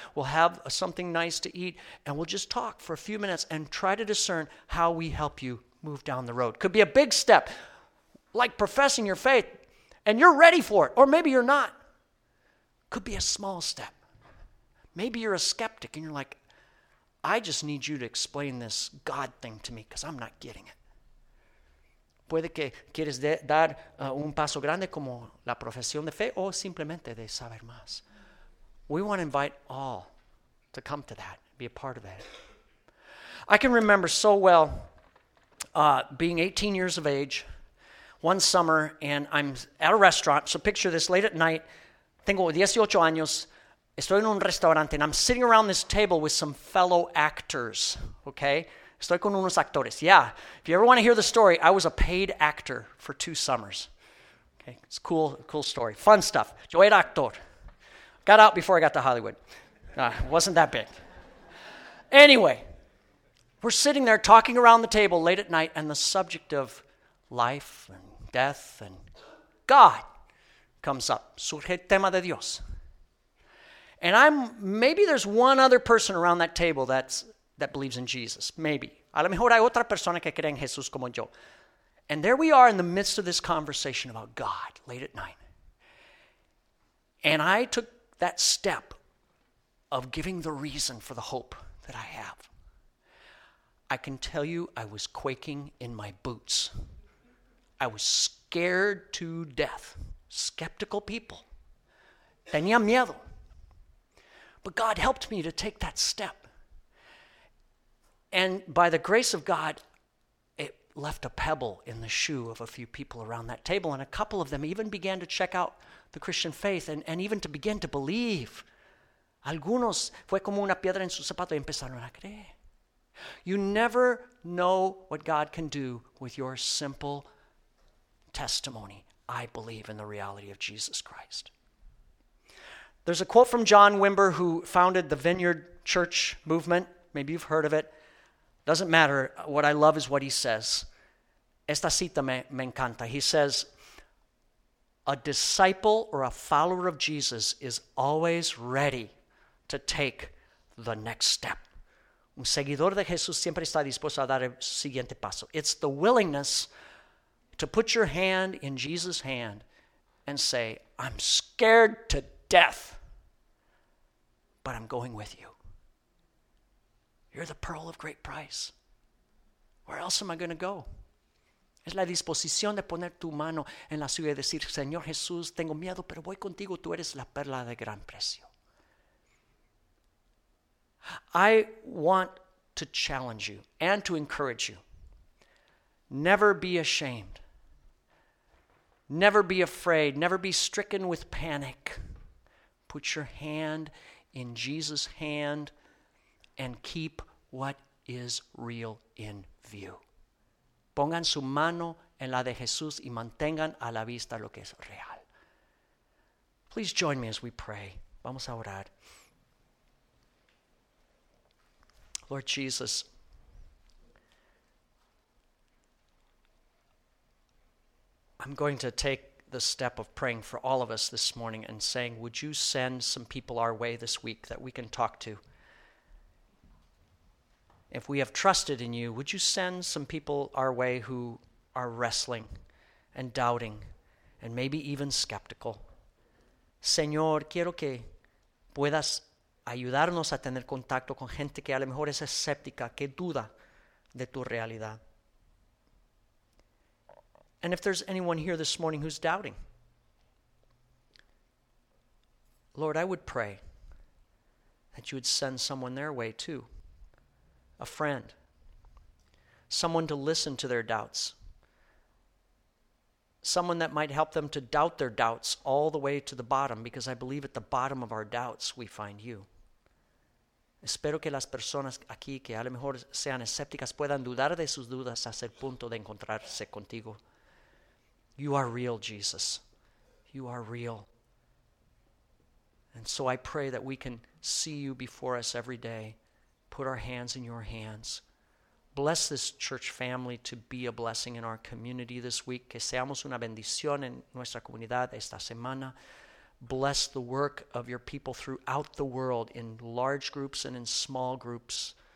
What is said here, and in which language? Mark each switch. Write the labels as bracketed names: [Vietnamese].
[English] We'll have something nice to eat. And we'll just talk for a few minutes and try to discern how we help you move down the road. Could be a big step, like professing your faith, and you're ready for it. Or maybe you're not. Could be a small step. Maybe you're a skeptic and you're like, I just need you to explain this God thing to me because I'm not getting it. [Spanish] Puede que quieres dar un paso grande como la profesión de fe o simplemente de saber más. [English] We want to invite all to come to that, be a part of that. I can remember so well being 18 years of age one summer and I'm at a restaurant. So picture this, late at night, [Spanish] tengo 18 años, estoy en un restaurante [English] and I'm sitting around this table with some fellow actors, okay? [Spanish] Estoy con unos actores. [English] Yeah, if you ever want to hear the story, I was a paid actor for 2 summers. Okay, it's cool story. Fun stuff. [Spanish] Yo era actor. [English] Got out before I got to Hollywood. Wasn't that big. Anyway, we're sitting there talking around the table late at night and the subject of life and death and God comes up. [Spanish] Surge el tema de Dios. [English] And maybe there's one other person around that table that believes in Jesus, maybe. [Spanish] A lo mejor hay otra persona que cree en Jesús como yo. [English] And there we are in the midst of this conversation about God, late at night. And I took that step of giving the reason for the hope that I have. I can tell you I was quaking in my boots. I was scared to death. Skeptical people. [Spanish] Tenía miedo. [English] But God helped me to take that step. And by the grace of God, it left a pebble in the shoe of a few people around that table. And a couple of them even began to check out the Christian faith and even to begin to believe. [Spanish] Algunos fue como una piedra en su zapato y empezaron a creer. [English] You never know what God can do with your simple testimony. I believe in the reality of Jesus Christ. There's a quote from John Wimber who founded the Vineyard Church movement. Maybe you've heard of it. Doesn't matter. What I love is what he says. [Spanish] Esta cita me encanta. [English] He says, A disciple or a follower of Jesus is always ready to take the next step. [Spanish] Un seguidor de Jesús siempre está dispuesto a dar el siguiente paso. [English] It's the willingness to put your hand in Jesus' hand and say, I'm scared to death, but I'm going with you. You're the pearl of great price. Where else am I going to go? [Spanish] Es la disposición de poner tu mano en la suya y decir, Señor Jesús, tengo miedo, pero voy contigo. Tú eres la perla de gran precio. [English] I want to challenge you and to encourage you. Never be ashamed. Never be afraid. Never be stricken with panic. Put your hand in Jesus' hand and keep what is real in view. [Spanish] Pongan su mano en la de Jesús y mantengan a la vista lo que es real. [English] Please join me as we pray. [Spanish] Vamos a orar. [English] Lord Jesus, I'm going to take the step of praying for all of us this morning and saying, would you send some people our way this week that we can talk to? If we have trusted in you, would you send some people our way who are wrestling and doubting and maybe even skeptical? [Spanish] Señor, quiero que puedas ayudarnos a tener contacto con gente que a lo mejor es escéptica, que duda de tu realidad. [English] And if there's anyone here this morning who's doubting, Lord, I would pray that you would send someone their way too. A friend, someone to listen to their doubts, someone that might help them to doubt their doubts all the way to the bottom, because I believe at the bottom of our doubts we find you. [Spanish] Espero que las personas aquí que a lo mejor sean escépticas puedan dudar de sus dudas hasta el punto de encontrarse contigo. [English] You are real, Jesus. You are real. And so I pray that we can see you before us every day. Put our hands in your hands. Bless this church family to be a blessing in our community this week. [Spanish] Que seamos una bendición en nuestra comunidad esta semana. [English] Bless the work of your people throughout the world in large groups and in small groups.